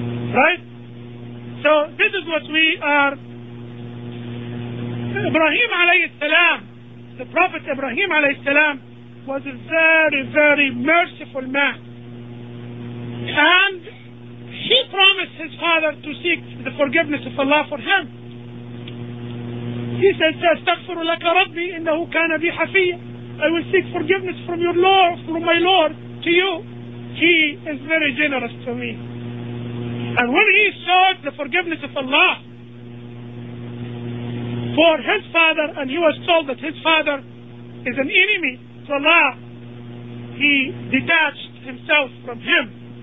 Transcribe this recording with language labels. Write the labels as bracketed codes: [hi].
[en] Right? So, this is what we are. Ibrahim alayhi salam, the Prophet Ibrahim alayhi salam, was a very, very merciful man. And he promised his father to seek the forgiveness of Allah for him. He said, [ar] أستغفر لك ربي إنه كان بي حفيا. [en] I will seek forgiveness from your Lord, from my Lord, to you. He is very generous to me. And when he sought the forgiveness of Allah for his father, and he was told that his father is an enemy to Allah, he detached himself from him.